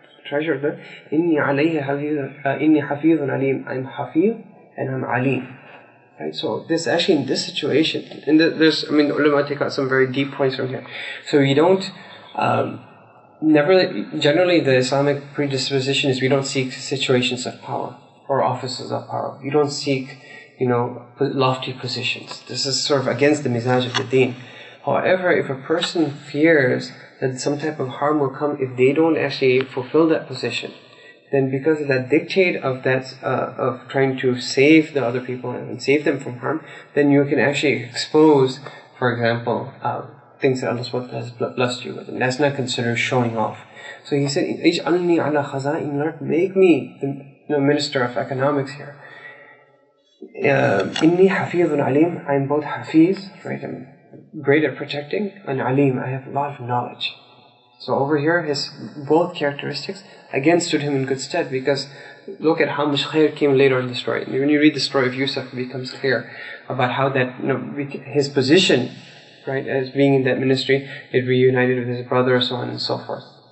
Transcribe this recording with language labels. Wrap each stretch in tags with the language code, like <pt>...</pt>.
<en>Treasure that</en> <ar>إني عليه حفيظ إني حفيظ عليم,</ar> <en>I'm حفيظ and I'm عليم. Right, so this actually in this situation, and there's, I mean, the ulama take out some very deep points from here. So we don't generally the Islamic predisposition is we don't seek situations of power or offices of power. You don't seek, you know, lofty positions. This is sort of against the mizaj of the deen. However, if a person fears that some type of harm will come if they don't actually fulfill that position, then because of that dictate of that of trying to save the other people and save them from harm, then you can actually expose, for example, things that Allah SWT has blessed you with. And that's not considered showing off. So he said,</en> <ar>اجعلني على خزائن الأرض,</ar> <en>make me the minister of economics here.</en> <ar>إني حفيظ عليم,</ar> <en>I'm both حفيظ, right? I'm great at protecting, and alim, I have a lot of knowledge. So over here, his both characteristics again stood him in good stead, because look at how much khair came later in the story. When you read the story of Yusuf, it becomes clear about how that, you know, his position, right, as being in that ministry, it reunited with his brother, so on and so forth.</en>